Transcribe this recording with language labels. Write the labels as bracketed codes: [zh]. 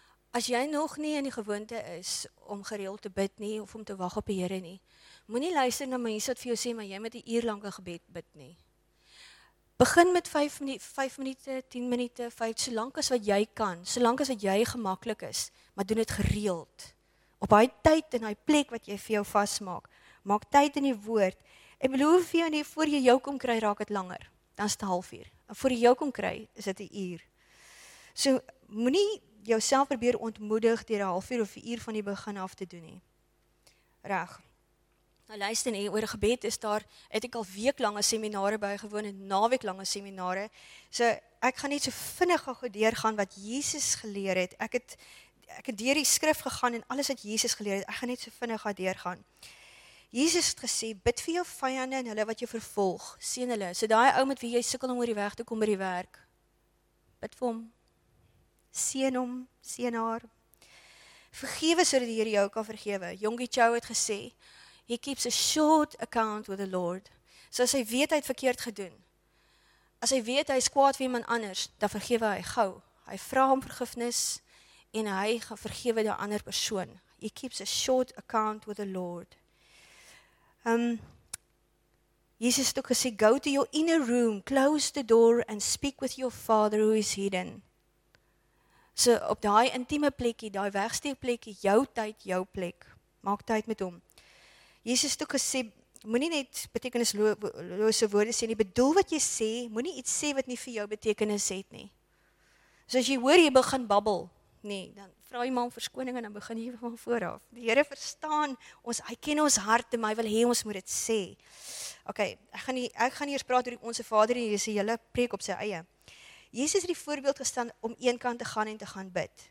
[af] As jy nog nie in die gewoonte is om gereeld te bid nie of om te wag op die Here nie, moenie luister na mense wat vir jou sê, maar jy moet 'n uur lank 'n gebed bid nie. Begin met 5 minute, 10 minute, 5, so lank as wat jy kan, so lank as wat jy gemaklik is, maar doen dit gereeld. Op daai tyd en daai plek wat jy vir jou vasmaak, maak tyd in die woord. En beloof vir jou nie, voor jy jou kom kry, raak het langer, dan is het 1/2 uur. En voor jy jou kom kry, is het 1 uur. So moenie jouself probeer ontmoedig deur 1/2 uur of 1 uur van die begin af te doen nie. Reg. Nou luister nie, oor gebed is daar, het ek al weeklange seminare bygewoon en naweeklange seminare, so ek gaan nie so vinnig gou deurgaan wat Jesus geleer het, ek het deur die skrif gegaan en alles wat Jesus geleer het, ek gaan nie so vinnig gou deurgaan. Jesus het gesê, bid vir jou vyande en hulle wat jou vervolg, seën hulle, so daai ou met wie jy sukkel om oor die weg te kom by die werk, bid vir hom, seën haar, vergewe sodat die Here jou kan vergewe, Yonggi Chow het gesê, [en] he keeps a short account with the Lord. [af] So as hy weet hy het verkeerd gedoen, as hy weet hy is kwaad vir iemand anders, dan vergewe hy gauw. Hy vra om vergifnis en hy gaan vergewe die ander persoon. [en] He keeps a short account with the Lord. [af] Jesus het ook gesê, [en] go to your inner room, close the door and speak with your father who is hidden. [af] So op die intieme plekkie, die wegsteekplekkie, jou tyd, jou plek, maak tyd met hom. Jesus het ook gesê, moenie net betekenislose woorde sê nie, bedoel wat jy sê, moenie iets sê wat nie vir jou betekenis het nie. So as jy hoor jy begin babbel, nee, dan vra jy maar om verskoning en dan begin jy van vooraf. Die Here verstaan ons, hy ken ons hart en hy wil hê ons moet dit sê. Ok, ek gaan eers praat oor die Onse Vader en hierdie hele preek op sy eie. Jesus het die voorbeeld gestaan om een kant te gaan en te gaan bid.